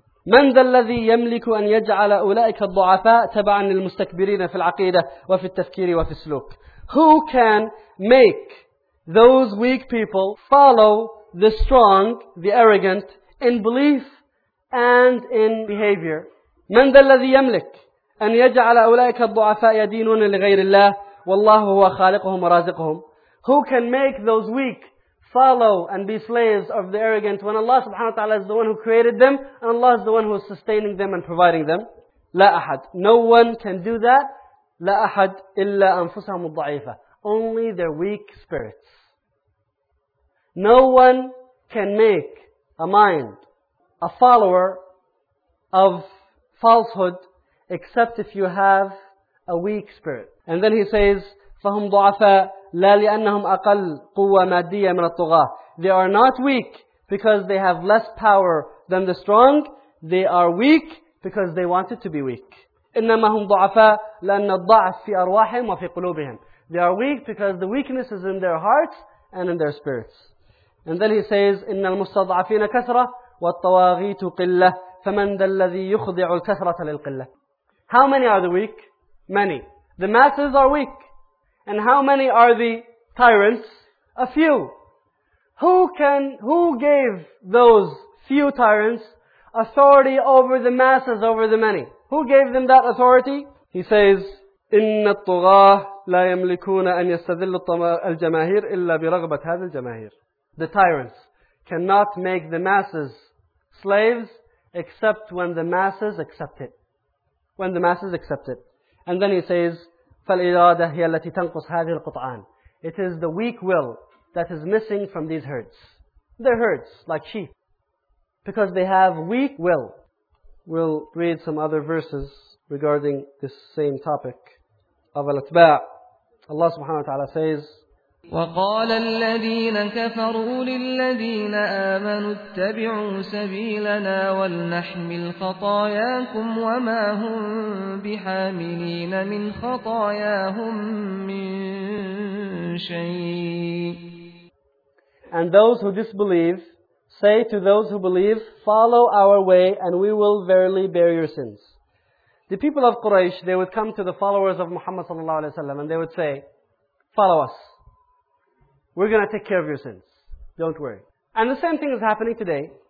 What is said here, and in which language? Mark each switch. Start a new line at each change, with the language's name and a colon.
Arabic: مَنْ ذَا الَّذِي يَمْلِكُ أَنْ يَجْعَلَ أُولَئِكَ الضُّعَفَاءَ تَبَعًا لِلْمُسْتَكْبِرِينَ فِي الْعَقِيدَةِ وَفِي التَّفْكِيرِ وَفِي السُّلُوكِ.
English: Who can make those weak people follow the strong, the arrogant, in belief and in behavior?
Arabic: من ذا الذي يملك أن يجعل أولئك الضعفاء يدينون لغير الله والله هو خالقهم ورازقهم?
English: Who can make those weak follow and be slaves of the arrogant when Allah subhanahu wa ta'ala is the one who created them and Allah is the one who is sustaining them and providing them?
Arabic: لا أحد.
English: No one can do that.
Arabic: لا أحد إلا أنفسهم الضعيفة.
English: Only their weak spirits. No one can make a mind a follower of falsehood except if you have a weak spirit. And then he says,
Arabic: فَهُمْ ضُعَفَاءَ لَا لِأَنَّهُمْ أَقَلْ قُوَّ مَادِّيَّ مِنَ الطُّغَاةِ.
English: They are not weak because they have less power than the strong. They are weak because they wanted to be weak.
Arabic: إِنَّمَا هُمْ ضُعَفَاءَ لَأَنَّ الضَّعْفِ فِي أَرْوَاحِهِمْ وَفِي قُلُوبِهِمْ.
English: They are weak because the weakness is in their hearts and in their spirits. And then he says,
Arabic: إِنَّ الْمُسْتَضْعَفِينَ كَثْرَةً وَالطَّوَاغِيتُ قِلَّةً فَمَنْ ذَا الَّذِي يُخْضِعُ الْكَثْرَةَ لِلْقِلَّةِ.
English: How many are the weak? Many. The masses are weak. And how many are the tyrants? A few. Who gave those few tyrants authority over the masses, over the many? Who gave them that authority? He says,
Arabic: إِنَّ الطُّغَاةَ لَا يَمْلِكُونَ أَنْ يَسْتَذِلُّ الْجَمَاهِيرِ إِلَّا بِرَغْبَةِ هَذِ الْجَمَاهِيرِ.
English: The tyrants cannot make the masses slaves except when the masses accept it. When the masses accept it. And then he says,
Arabic: فَالْإِرَادَةَ هِيَ الَّتِي تَنْقُصْ هَذِهِ الْقُطْعَانِ.
English: It is the weak will that is missing from these herds. They're herds, like sheep. Because they have weak will. We'll read some other verses regarding this same topic of al-atba'. Allah subhanahu wa ta'ala says,
Arabic: وقال الذين كفروا للذين آمنوا اتبعوا سبيلنا ولنحمل خطاياكم وما هم بحاملين من خطاياهم من شيء.
English: And those who disbelieve say to those who believe, follow our way and we will verily bear your sins. The people of Quraysh, they would come to the followers of Muhammad sallallahu alaihi wasallam and they would say, follow us. We're going to take care of your sins. Don't worry. And the same thing is happening today.